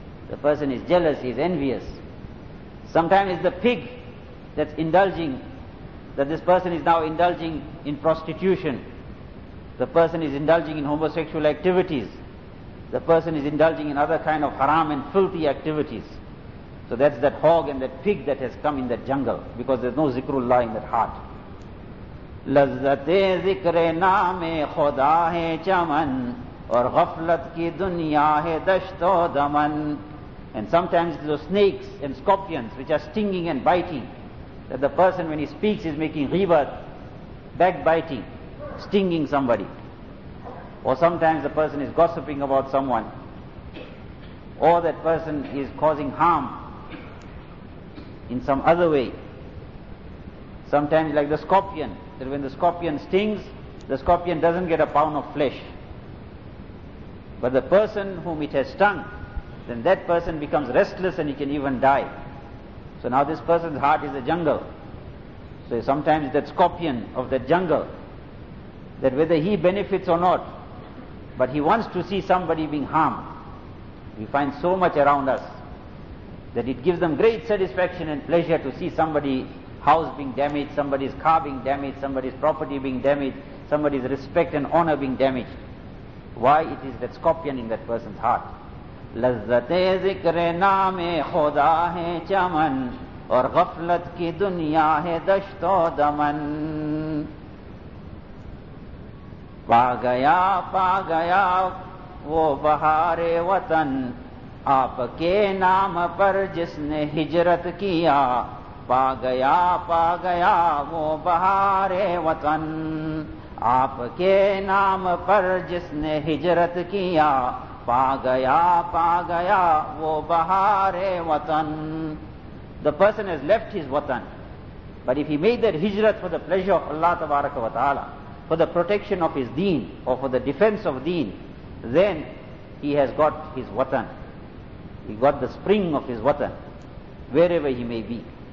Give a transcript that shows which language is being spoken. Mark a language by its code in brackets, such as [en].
[en] The person is jealous, he is envious. Sometimes it's the pig that's indulging, that this person is now indulging in prostitution. The person is indulging in homosexual activities. The person is indulging in other kind of haram and filthy activities. So that's that hog and that pig that has come in that jungle, because there's no zikrullah in that heart. [ur] لذتِ ذکرِ نامِ خدا ہے چمن اور غفلت کی دنیا ہے دشت و دمن. [en] And sometimes it's those snakes and scorpions which are stinging and biting, that the person when he speaks is making ghibat, backbiting, stinging somebody. Or sometimes the person is gossiping about someone, or that person is causing harm in some other way. Sometimes like the scorpion, that when the scorpion stings, the scorpion doesn't get a pound of flesh. But the person whom it has stung, then that person becomes restless and he can even die. So now this person's heart is a jungle. So sometimes that scorpion of that jungle, that whether he benefits or not, but he wants to see somebody being harmed. We find so much around us that it gives them great satisfaction and pleasure to see somebody's house being damaged, somebody's car being damaged, somebody's property being damaged, somebody's respect and honor being damaged. Why? It is that scorpion in that person's heart. [ur] لذتِ ذکرِ نامِ خدا ہے چمن اور غفلت کی دنیا ہے دشت و دمن. پا گیا وہ بہارِ وطن آپ کے نام پر جس نے ہجرت کیا. پا گیا وہ بہارِ وطن آپ کے نام پر جس نے ہجرت کیا. پا گیا وہ بہارِ وطن. [en] The person has left his watan, but if he made that hijrat for the pleasure of Allah tabaraka wa ta'ala, for the protection of his deen or for the defense of deen, then he has got his watan. He got the spring of his watan, wherever he may be.